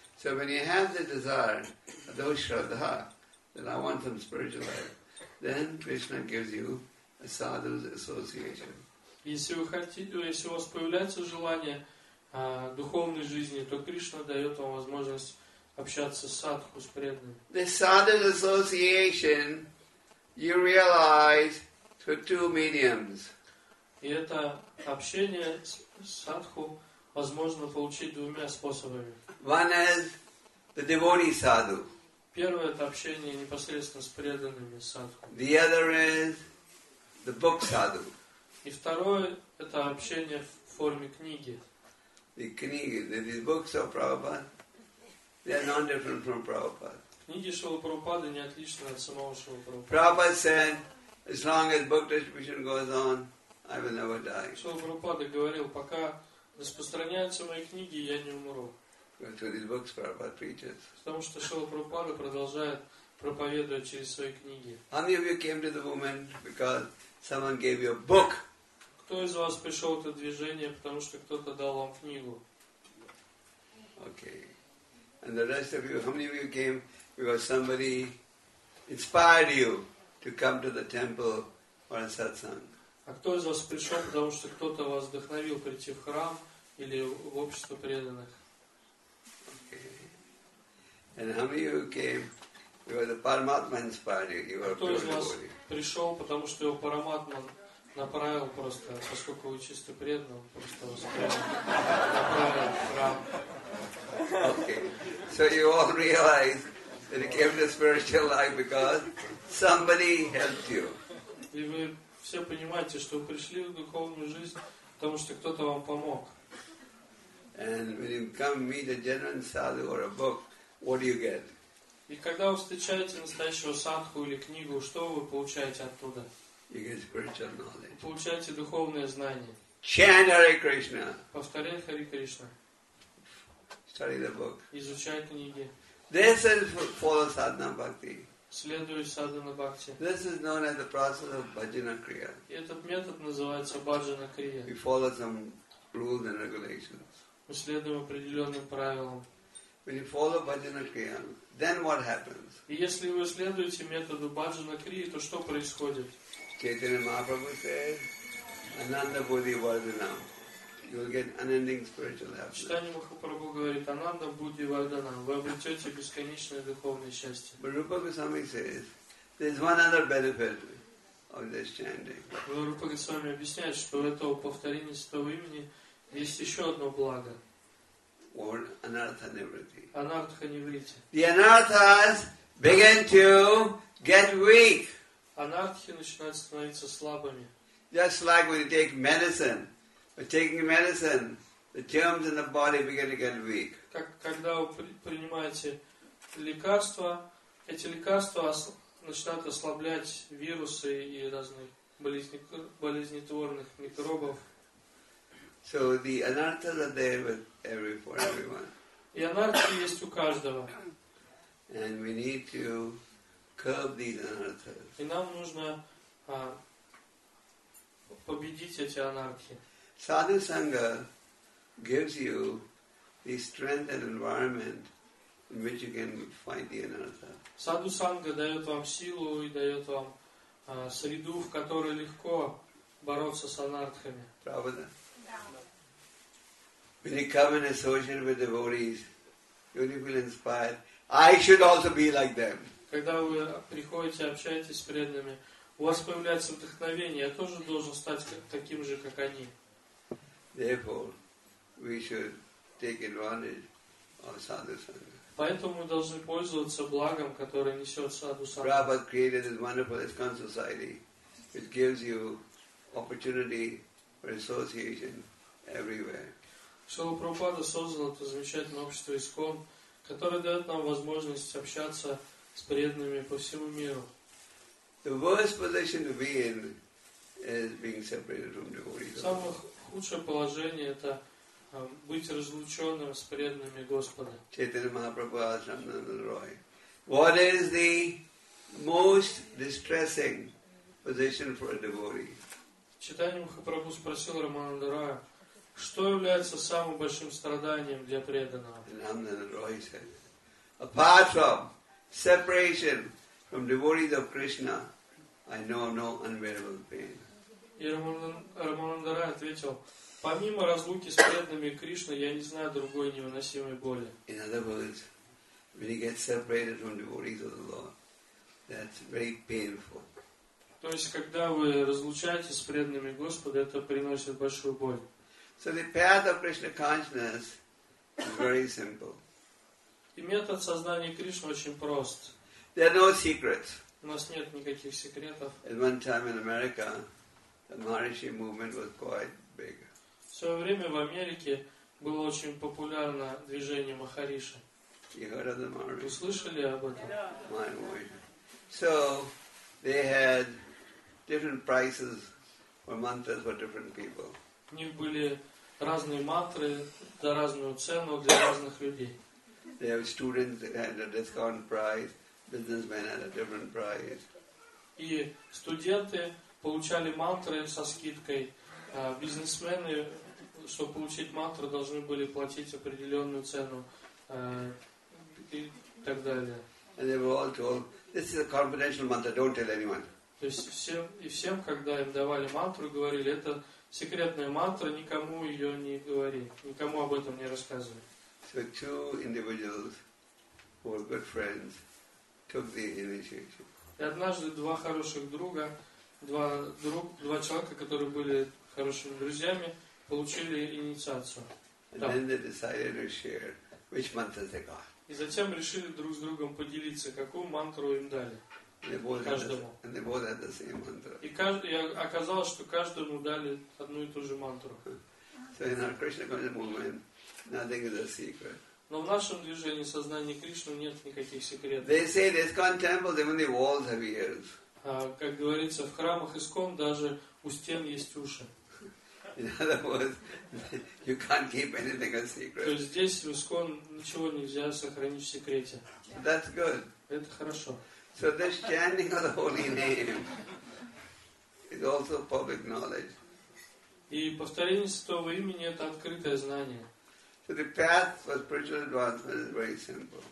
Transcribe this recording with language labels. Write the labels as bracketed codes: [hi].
[en] So when you have the desire, Adho Shraddha, that I want some spiritual life, then Krishna gives you a sadhu's association. [ru] Если вы хотите, если у вас появляется желание духовной жизни, то Кришна дает вам возможность общаться с садху, с преданными. [en] The sadhu's association, you realize through two mediums. [ru] И это общение с садху возможно получить двумя способами. [en] One is the devotee sadhu. [ru] Первое это общение непосредственно с преданными садху. [en] The other is the book sadhu. [ru] И второе это общение в форме книги. [en] The книги, the books of Prabhupada, they are non-different from Prabhupada. [ru] Книги Шрилы Прабхупады не отличны от самого Шрилы Прабхупады. [en] Prabhupada said, as long as book distribution goes on, I will never die. [ru] Шрила Прабхупада говорил, пока распространяются мои книги, я не умру. Потому что Шрила Прабхупада продолжает проповедовать через свои книги. [en] How many of you came to the movement because someone gave you a book? [ru] Кто из вас пришел в это движение, потому что кто-то дал вам книгу? [en] Okay. And the rest of you, how many of you came because somebody inspired you to come to the temple for a satsang? [ru] А кто из вас пришел, потому что кто-то вас вдохновил прийти в храм или в общество преданных? [en] Okay. And how many of you came because Paramatma inspired you? You were a pure devotee. [ru] Кто из вас пришел, потому что его Параматма направил просто, поскольку вы чисто преданный, он просто вас направил в храм? [en] Okay. So you all realize that you came to spiritual life because somebody helped you. [ru] И вы все понимаете, что вы пришли в духовную жизнь, потому что кто-то вам помог. [en] And when you come meet a genuine sadhu or a book, what do you get? [ru] И когда вы встречаете настоящего садху или книгу, что вы получаете оттуда? [en] You get spiritual knowledge. [ru] Получаете духовное знание. [en] Chant Hare Krishna. [ru] Повторяй Хари Кришна. [en] Study the book. [ru] Изучай книги. [en] This is follow sadhana bhakti. [ru] Следуй sadhana bhakti. [en] This is known as the process of bhajana kriya. [ru] Этот метод называется bhajana kriya. [en] We follow some rules and regulations. [ru] Мы следуем определенным правилам. [en] When you follow bhajana kriya, then what happens? [ru] И если вы следуете методу bhajana kriya, то что происходит? [en] Chaitanya Mahaprabhu said, [sa] "Ananda Bodhi Vardhanam." [en] You will get unending spiritual happiness. [ru] Читание Махапрабху говорит, Ананда Будди Вардана, вы обретете бесконечное духовное счастье. [en] But Rupa Goswami says, there's one other benefit of this chanting. [ru] Rupa Goswami объясняет, что у этого повторения святого имени есть еще одно благо. [en] Or anartha nivritti. [sa] Anartha nivritti. [en] The anarthas begin to get weak. [ru] Анартхи начинают становиться слабыми. [en] Just like when you take medicine. By taking medicine, the germs in the body begin to get weak. [ru] Когда вы принимаете лекарства, эти лекарства начинают ослаблять вирусы и разных болезнетворных микробов. [en] So the anarthas are there with every for everyone. [ru] И анархи есть у каждого. [en] And we need to curb these anarthas. [ru] И нам нужно победить эти анархи. [en] Sadhu Sangha gives you the strength and environment in which you can fight the anartha. [ru] Sadhu Sangha дает вам силу и дает вам среду, в которой легко бороться с анартхами. Правда? Да. [en] When you come and associate with devotees, you will feel inspired. I should also be like them. [ru] Когда вы приходите, общаетесь с преданными, у вас появляется вдохновение. Я тоже должен стать таким же, как они. [en] Therefore, we should take advantage of sadhu sangha. [ru] Поэтому мы должны пользоваться благом, которое несет sadhu sangha. [en] Prabhupada created this wonderful ISKCON society, which gives you opportunity for association everywhere. [ru] Шрила Прабхупада создал это замечательное общество ISKCON, которое дает нам возможность общаться с преданными по всему миру. [en] The worst position to be in is being separated from devotees. [ru] Лучшее положение – это быть разлученным с преданными Господа. [en] Chaitanya Mahaprabhu asked Ananda Roy, what is the most distressing position for a devotee? [ru] Chaitanya Mahaprabhu спросил Рамананда Роя, что является самым большим страданием для преданного? [en] And Ananda Roy said, apart from separation from devotees of Krishna, I know no unbearable pain. [ru] И Рамананда Рай ответил, помимо разлуки с преданными Кришны, я не знаю другой невыносимой боли. [en] In other words, when you get separated from devotees of the Lord, that's very painful. [ru] То есть, когда вы разлучаетесь с преданными Господа, это приносит большую боль. [en] So the path of Krishna consciousness is very simple. [ru] И метод сознания Кришны очень прост. [en] There are no secrets. [ru] У нас нет никаких секретов. [en] At one time in America, the Maharishi movement was quite big. [ru] В свое время в Америке было очень популярно движение Махариши. [en] You heard of the Maharishi? [ru] Услышали об этом? [en] My Maharishi. So they had different prices for mantras for different people. [ru] У них были разные мантры за разную цену для разных людей. [en] They have students that had a discount price, businessmen had a different price. [ru] И студенты получали мантры со скидкой, бизнесмены, чтобы получить мантру, должны были платить определенную цену, и так далее. [en] And they were all told, this is a confidential mantra, don't tell anyone. [ru] То есть всем, и всем, когда им давали мантру, говорили, это секретная мантра, никому ее не говори, никому об этом не рассказывай. [en] So two individuals who were good friends took the initiative. [ru] И однажды два хороших друга, два человека, которые были хорошими друзьями, получили инициацию. [en] And then they decided to share which mantra they got. [ru] И затем решили друг с другом поделиться, какую мантру им дали. [en] And they both had the same mantra. [ru] И каждый, оказалось, что каждому дали одну и ту же мантру. [en] So in our Krishna consciousness movement, nothing is a secret. [ru] Но в нашем движении сознания Кришны нет никаких секретов. [en] They say the ISKCON temple, even the walls have ears. [ru] Как говорится, в храмах ИСКОН даже у стен есть уши. [en] In other words, you can't keep anything a secret. [ru] То есть здесь в ИСКОН ничего нельзя сохранить в секрете. [en] That's good. [ru] Это хорошо. [en] So this chanting of the holy name is also public knowledge. [ru] И повторение святого имени — это открытое знание. [en] So the path for spiritual advancement is very simple.